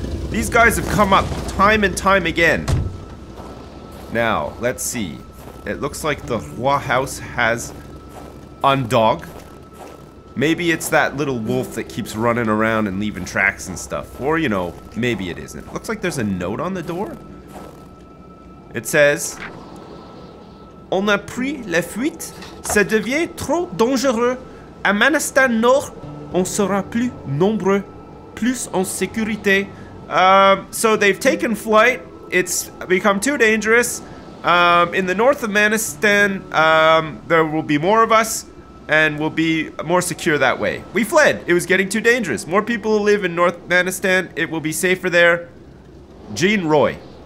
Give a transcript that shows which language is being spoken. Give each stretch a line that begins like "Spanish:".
English: These guys have come up time and time again. Now, let's see. It looks like the Roy house has a dog. Maybe it's that little wolf that keeps running around and leaving tracks and stuff. Or, you know, maybe it isn't. Looks like there's a note on the door.
French: It says, "On a pris la fuite, ça devient trop dangereux. À Manistan Nord, on sera plus nombreux, plus en sécurité."
English: So they've taken flight. It's become too dangerous. In the north of Manistan, there will be more of us. And we'll be more secure that way. We fled. It was getting too dangerous. More people live in North Manistan. It will be safer there. Jean Roy.